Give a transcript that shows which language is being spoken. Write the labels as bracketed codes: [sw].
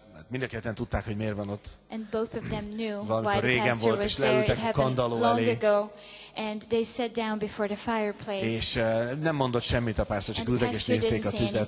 [hu] mind a ketten tudták, hogy miért van ott. [en] And both of them knew [hu] valamikor régen volt, és leültek a kandalló elé. [en] And they sat down before the fireplace. [hu] És nem mondott semmit a pásztor, csak ültek és nézték a tüzet.